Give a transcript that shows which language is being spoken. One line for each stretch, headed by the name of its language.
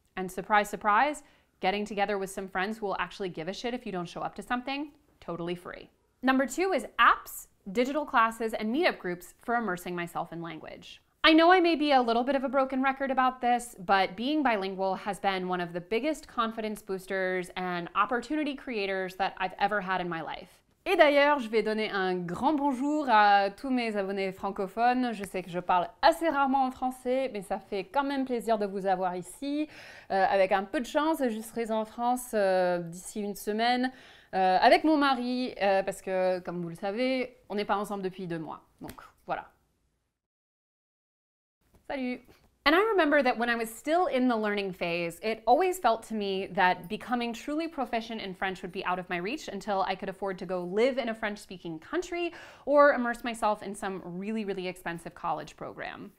English: And surprise, surprise, getting together with some friends who will actually give a shit if you don't show up to something, totally free. Number 2 is apps, digital classes, and meetup groups for immersing myself in language. I know I may be a little bit of a broken record about this, but being bilingual has been one of the biggest confidence boosters and opportunity creators that I've ever had in my life.
French: Et d'ailleurs, je vais donner un grand bonjour à tous mes abonnés francophones. Je sais que je parle assez rarement en français, mais ça fait quand même plaisir de vous avoir ici. Avec un peu de chance, je serai en France d'ici une semaine avec mon mari, parce que, comme vous le savez, on n'est pas ensemble depuis 2 mois. Donc, voilà. Salut!
English: And I remember that when I was still in the learning phase, it always felt to me that becoming truly proficient in French would be out of my reach until I could afford to go live in a French-speaking country or immerse myself in some really, really expensive college program.